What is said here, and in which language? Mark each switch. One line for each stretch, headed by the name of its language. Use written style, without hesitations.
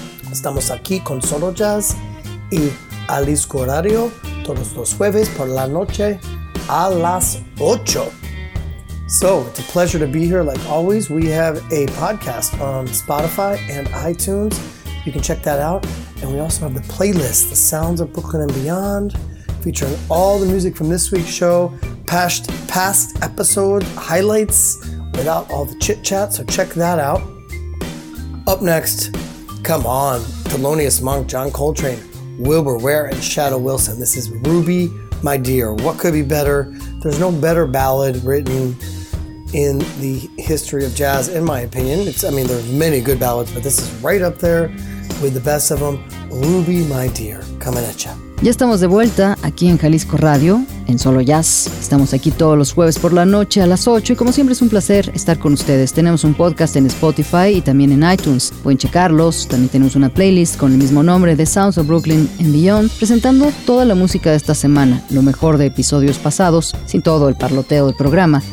Spanish: Estamos aquí con Solo Jazz y Jalisco Radio todos los jueves por la noche a las 8.
English: So, it's a pleasure to be here. Like always, we have a podcast on Spotify and iTunes. You can check that out. And we also have the playlist, The Sounds of Brooklyn and Beyond, featuring all the music from this week's show, past episode highlights without all the chit-chat. So check that out. Up next, come on, Thelonious Monk, John Coltrane, Wilbur Ware, and Shadow Wilson. This is Ruby, My Dear. What could be better? There's no better ballad written in the history of jazz, in my opinion. There are many good ballads, but this is right up there with the best of them. Ruby, My Dear, coming at ya.
Spanish: Ya estamos de vuelta aquí en Jalisco Radio, en Solo Jazz. Estamos aquí todos los jueves por la noche a las 8 y como siempre es un placer estar con ustedes. Tenemos un podcast en Spotify y también en iTunes. Pueden checarlos. También tenemos una playlist con el mismo nombre, The Sounds of Brooklyn and Beyond, presentando toda la música de esta semana, lo mejor de episodios pasados, sin todo el parloteo del programa.